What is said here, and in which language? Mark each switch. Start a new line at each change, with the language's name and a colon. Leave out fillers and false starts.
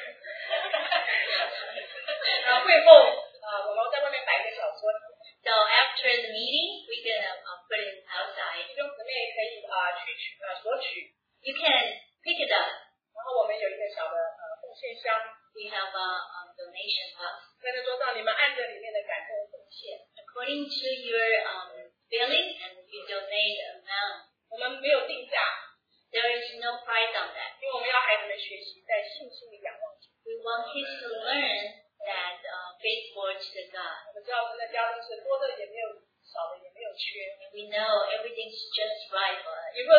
Chinese: 会后我们在外面摆一个小桌子。
English: So after the meeting, we're going to put it outside.
Chinese: 弟兄姊妹可以索取。
English: You can pick it up.
Chinese: 然后我们有一个小的奉献箱。
English: We have a donation box.
Chinese: 在那桌上你们按着里面的感动奉献。
English: According to your feeling, and you donate amount.
Chinese: 我们没有定价。
English: There is no price on that.
Chinese: 因为我们要孩子们学习在信心里仰望。
English: We want kids to learn that faith for to the God. We know everything's just right for us.